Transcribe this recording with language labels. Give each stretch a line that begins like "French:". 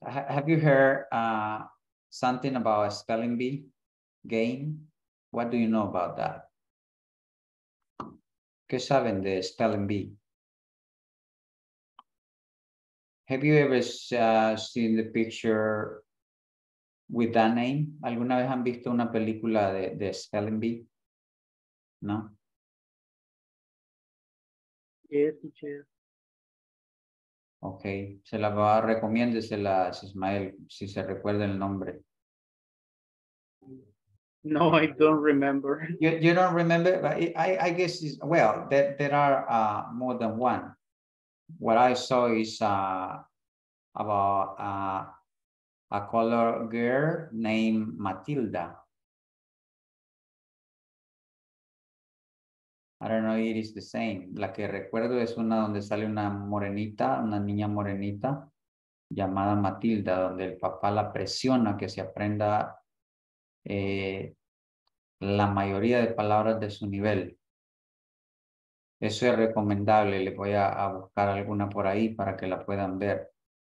English: Have you heard something about a spelling bee game? What do you know about that?
Spanish: ¿Qué saben de spelling bee?
English: Have you ever seen the picture with that name?
Spanish: ¿Alguna vez han visto una película de Spelling Bee? ¿No?
English: Yes, teacher.
Spanish: Okay, se la va a recomiendo, se la Ismael, si se recuerda el nombre.
English: No, I don't remember. You don't remember? I guess, it's, well, there are more than one. What I saw is about a color girl named Matilda. I don't know if it is the same.
Spanish: La que recuerdo es una donde sale una morenita, una niña morenita llamada Matilda, donde el papá la presiona que se aprenda la mayoría de palabras de su nivel. Eso es recomendable. Le voy a buscar alguna por ahí para que la puedan ver.